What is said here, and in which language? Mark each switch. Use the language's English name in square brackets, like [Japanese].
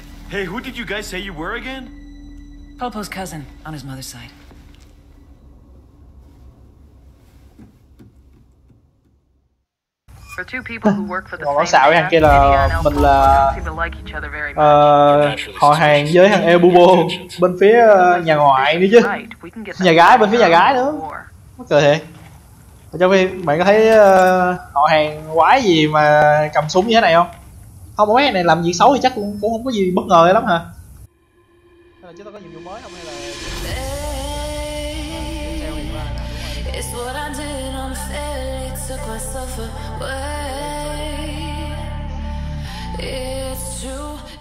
[English] Hey, who did you guys say you were again? Pulpo's cousin, on his mother's side. For two people who work for the same family, Nidia and Pulpo don't seem to like each other very much. [Vietnamese] Họ hàng với thằng Ebubo bên phía nhà ngoại nữa chứ. Nhà gái bên phía nhà gái nữa. Mắc cười thiệt. Trong khi bạn có thấy họ hàng quái gì mà cầm súng như thế này không? Không, mấy này làm gì xấu thì chắc cũng không có gì bất ngờ lắm hả? Hay là chúng ta có nhiệm vụ mới không hay là... [English] It's what I did on fairly took myself away. It's true.